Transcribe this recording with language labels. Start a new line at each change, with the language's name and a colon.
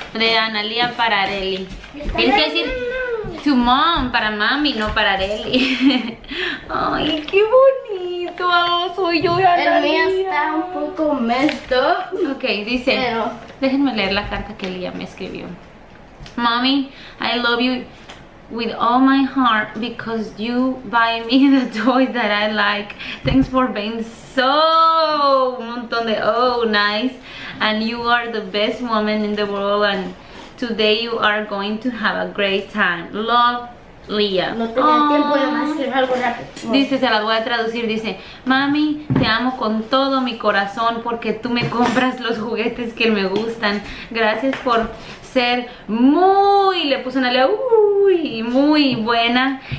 Spanish: De Analia para Areli. Tienes que decir to mom, para mami, no para Areli. Ay, qué bonito. Oh, soy yo y Analia. El mío está un poco mesto. Ok, dice. Pero... Déjenme leer la carta que Lia me escribió.
English: Mommy, I love you with all my heart because you buy me the toys that I like. Thanks for being so un montón de oh nice. And you are the best woman in the world. And today you are going to have a great time. Love, Liam.
Spanish: No tenía tiempo de más escribir algo rápido. Dice, se las voy a traducir. Dice, mami, te amo con todo mi corazón porque tú me compras los juguetes que me gustan. Gracias por ser muy, le puse una lea, muy buena.